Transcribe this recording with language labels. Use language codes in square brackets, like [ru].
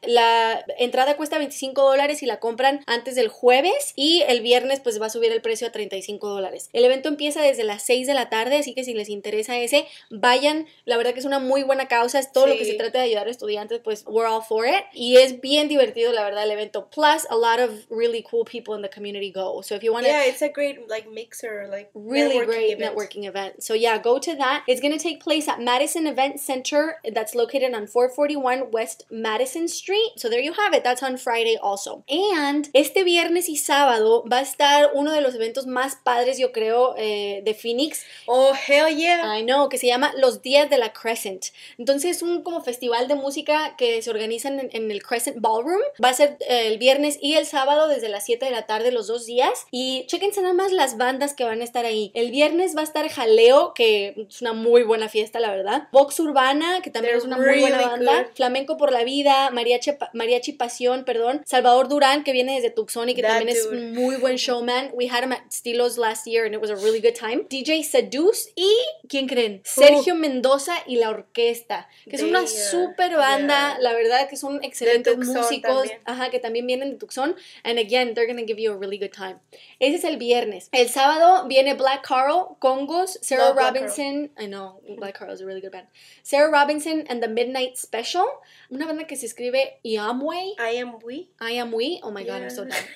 [es] La entrada cuesta $25 y la compran antes del jueves, y el viernes pues va a subir el precio a $35. El evento empieza desde las 6 de la tarde, así que si les interesa ese, vayan. La verdad que es una muy buena causa. Es todo, sí, lo que se trata de ayudar a estudiantes, pues [en] we're all for it. [es] Y es bien divertido, la verdad, el evento. [en] Plus, a lot of really cool people in the community go. So if you want to... Yeah, it's a great, like, mixer, like, really great networking event. So yeah, go to that. It's going to take place at Madison Event Center. That's located on 441 West Madison Street. So there you have it. That's on Friday also. And [es] este viernes y sábado va a estar uno de los eventos más padres, yo creo, de Phoenix. [en] Oh, hell yeah. I know, [es] que se llama Los Días de la Crescent. Entonces es un como festival de música que se organizan en el Crescent Ballroom. Va a ser el viernes y el sábado desde las 7 de la tarde los dos días. Y chéquense nada más las bandas que van a estar ahí. El viernes va a estar Jaleo, que es una muy buena fiesta, la verdad. Vox Urbana, que también es una muy buena banda. Flamenco por la Vida, Mariachi Pasión, perdón. Salvador Durán, que viene desde Tucson y que también es un muy buen showman. [en] We had him at Stilos last year and it was a really good time. [es] DJ Seduce y, ¿quién creen? Sergio Mendoza y la Orquesta, que es una super banda. La verdad que son excelentes músicos también. Ajá, que también vienen de Tucson, [en] and again, they're gonna give you a really good time. [es] Ese es el viernes. El sábado viene [en] Black Carl, Congos, Sarah Love Robinson, I know, Black Carl is a really good band, Sarah Robinson and the Midnight Special, [es] una banda que se escribe [en] I am we, oh my god, I'm so dumb.